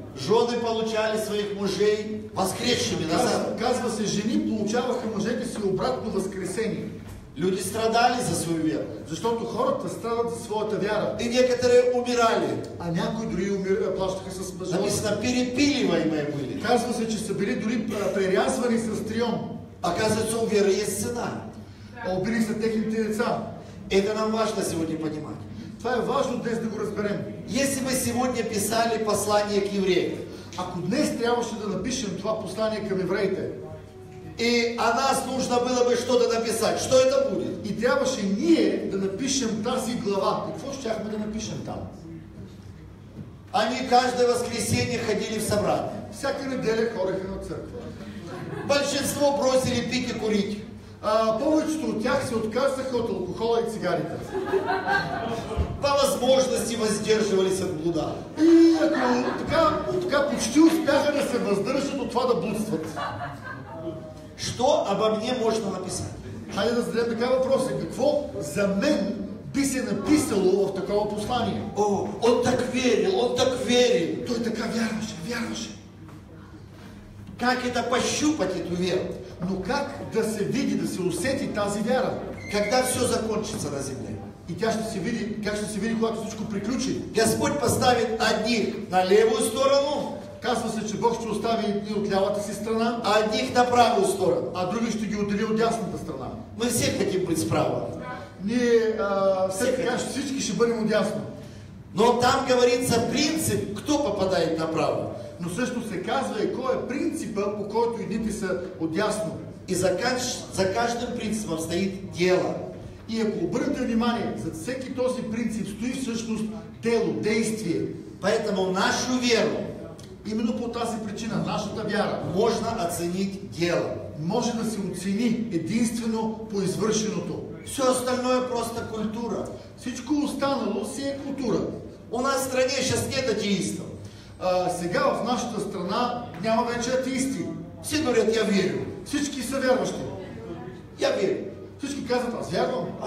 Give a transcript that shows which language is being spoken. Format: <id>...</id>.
<ru>Жены получали своих мужей воскресшими назад.</ru> <bg>Казва се, жени получаваха мъжете си обратно воскресени.</bg> <ru>Люди страдали за свою веру.</ru> <bg>Защото хората страдат за своята вяра.</bg> <ru>И некоторые умирали.</ru> <bg>А някои дори плащаха с мъжа.</bg> <ru>Написано, перепиливаемые были.</ru> <bg>Казва се, че са били дори прерязвани с триом.</bg> <ru>Оказывается, у веры есть цена.</ru> <bg>А убили са техните деца.</bg> <ru>Это нам важно сегодня понимать.</ru> <bg>Това е важно днес да го разберем.</bg> <ru>Если бы сегодня писали послание к евреям.</ru> <bg>Ако днес трябваше да напишем това послание към евреите,</bg> <ru>и о нас нужно было бы что-то написать. Что это будет?</ru> <bg>И трябваше ние да напишем тази глава. Какво щяхме да напишем там?</bg> <ru>Они каждое воскресенье ходили в собрание.</ru> <bg>Всяка неделя ходиха на църква.</bg> <ru>Большинство бросили пить и курить.</ru> <bg>Повечето от тях се отказаха от алкохола и цигарите. По възможности</bg> <ru>въздерживались от блуда.</ru> <bg>И така почти успяха да се въздържат от това да блудстват.</bg> <ru>Что обо мне можно написать?</ru> <bg>Хайде да зададем такава въпроса. Какво за мен би се написало в такова послание?</bg> <ru>О, он так верил, он так верил.</ru> <bg>Той така вярваше, вярваше.</bg> <ru>Как это пощупать эту веру?</ru> <bg>Но как да се види, да се усети тази вяра?</bg> <ru>Когда все закончится на земле?</ru> <bg>И тя ще се види, как ще се види, когато всичко приключи?</bg> <ru>Господь поставит одних на левую сторону.</ru> <bg>Казва се, че Бог ще остави едни от лявата си страна.</bg> <ru>А одних на правую сторону.</ru> <bg>А други ще ги отдели от дясната страна.</bg> <ru>Мы все хотим быть справа.</ru> <bg>Ние все така, всички ще бъдем от дясно.</bg> <ru>Но там говорится принцип, кто попадает направо.</ru> <bg>Но също се казва и кой е принципа, по който едните са отясно.</bg> <ru>И за каждым принципом стоит дело.</ru> <bg>И ако обърнете внимание, за всеки този принцип стои всъщност тело, действие.</bg> <ru>Поэтому нашу веру,</ru> <bg>именно по тази причина, нашата вяра,</bg> <ru>можно оценить дело.</ru> <bg>Може да се оцени единствено по извършеното.</bg> <ru>Все остальное просто культура.</ru> <bg>Всичко останало си е култура.</bg> <ru>У нас в стране сейчас нет атеистов.</ru> <bg>Сега в нашата страна няма вече атеисти.</bg> <ru>Все говорят, я верю.</ru> <bg>Всички са вярващи.</bg> <ru>Я верю.</ru> <bg>Всички казват, аз вярвам.</bg>